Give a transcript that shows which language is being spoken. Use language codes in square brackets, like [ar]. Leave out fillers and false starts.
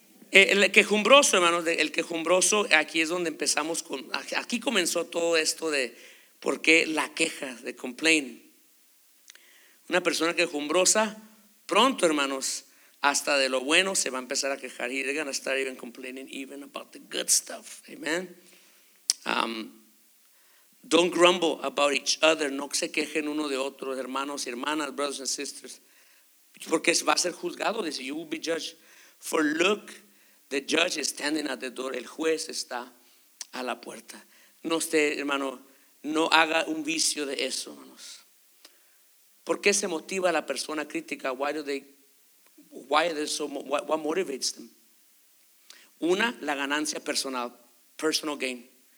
[es] El quejumbroso, hermanos, el quejumbroso, aquí es donde empezamos con, aquí comenzó todo esto de por qué la queja, de complain. Una persona quejumbrosa, pronto, hermanos, hasta de lo bueno se va a empezar a quejar. [en] They're going to start even complaining even about the good stuff. Amen. Don't grumble about each other. [es] No se quejen uno de otro, hermanos y hermanas, [en] brothers and sisters. [es] Porque va a ser juzgado. Dice, [en] you will be judged. For look, the judge is standing at the door. [es] El juez está a la puerta. No esté, hermano, no haga un vicio de eso, hermanos. ¿Por qué se motiva a la persona crítica? [en] What motivates them? [es] Una, la ganancia personal, [en] personal gain.